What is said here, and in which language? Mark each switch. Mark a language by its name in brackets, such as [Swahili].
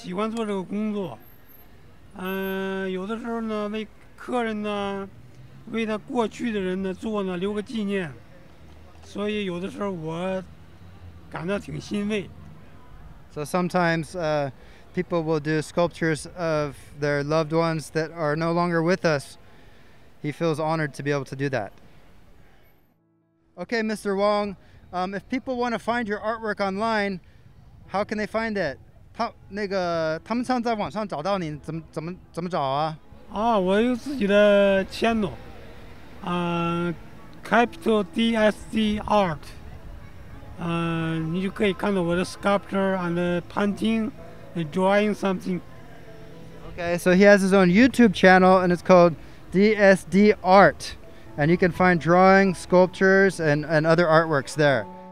[Chinese] 做这个工作，有的时候呢，为客人呢，为他过去的人呢做呢留个纪念，所以有的时候我感到挺欣慰。 [English] So sometimes, people will do sculptures of their loved ones that are no longer with us. He feels honored to be able to do that. Okay, Mr. Wang, if people want to find your artwork online, how can they find it? [Chinese] 他们想在网上找到你，怎么找啊？我有自己的 channel， Capital DSD Art， 你就可以看到我的 [English] sculpture and painting and drawing something。 Okay, so he has his own YouTube channel and it's called DSD Art, and you can find drawing, sculptures, and other artworks there.